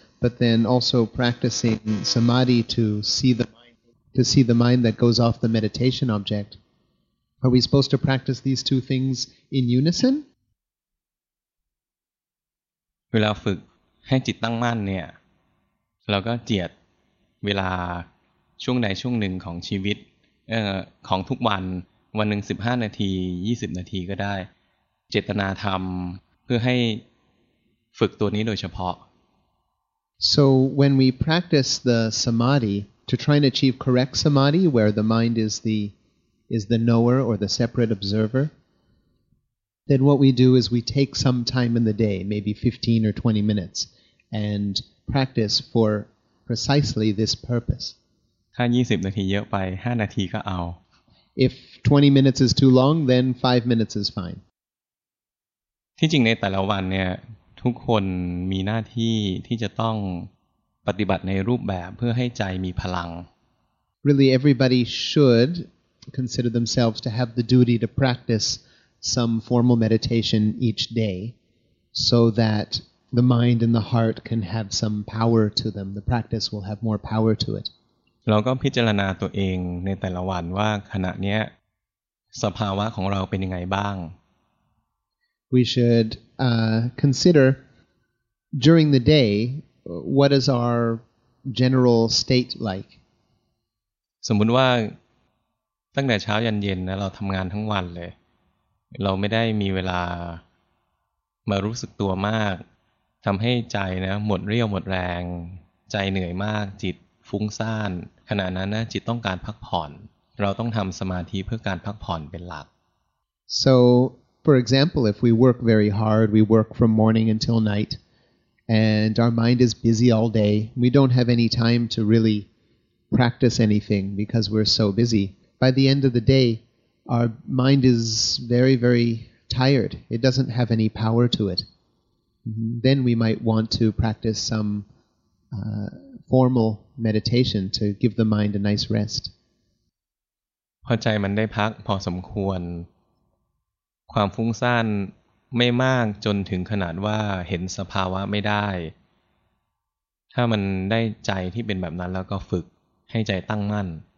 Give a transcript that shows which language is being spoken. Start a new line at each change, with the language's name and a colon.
English: But then also practicing samadhi to see the mind that goes off the meditation object. Are we supposed to practice these two things in unison?
Thai: เวลาฝึกให้จิตตั้งมั่นเนี่ยเราก็เจียดเวลาช่วงใดช่วงหนึ่งของชีวิตของทุกวันวันหนึ่ง15นาที20นาทีก็ได้เจตนาธรรมเพื่อให้ฝึกตัวนี้โดยเฉพาะ
English: So when we practice the samadhi to try and achieve correct samadhi, where the mind is the knower or the separate observer, then what we do is we take some time in the day, maybe 15 or 20 minutes, and practice for precisely this purpose.
Thai: ถ้า20นาทีเยอะไป5นาทีก็เอา
English: If 20 minutes is too long, then 5 minutes is fine.
Thai: ที่จริงในแต่ละวันเนี่ยทุกคนมีหน้าที่ที่จะต้องปฏิบัติในรูปแบบเพื่อให้ใจมีพลัง
English: Really everybody should consider themselves to have the duty to practice some formal meditation each day so that the mind and the heart can have some power to them the practice will have more power to it
Thai: เราก็พิจารณาตัวเองในแต่ละวันว่าขณะนี้สภาวะของเราเป็นยังไงบ้าง
English: We shouldconsider during the day what is our general state like
Thai: สมมุติว่าตั้งแต่เช้ายันเย็นนะเราทำงานทั้งวันเลยเราไม่ได้มีเวลามารู้สึกตัวมากทำให้ใจนะหมดเรี่ยวหมดแรงใจเหนื่อยมากจิตฟุ้งซ่านขณะนั้นนะจิตต้องการพักผ่อนเราต้องทำสมาธิเพื่อการพักผ่อนเป็นหลัก
English: soFor example, if we work very hard, we work from morning until night, and our mind is busy all day, we don't have any time to really practice anything because we're so busy. By the end of the day, our mind is very, very tired. It doesn't have any power to it. Then we might want to practice some formal meditation to give the mind a nice rest.
Thai: พอใจมันได้พักพอสมควรความฟุ้งซ่านไม่มากจนถึงขนาดว่าเห็นสภาวะไม่ได้ถ้ามันได้ใจที่เป็นแบบนั้นแล้วก็ฝึกให้ใจตั้งมั่น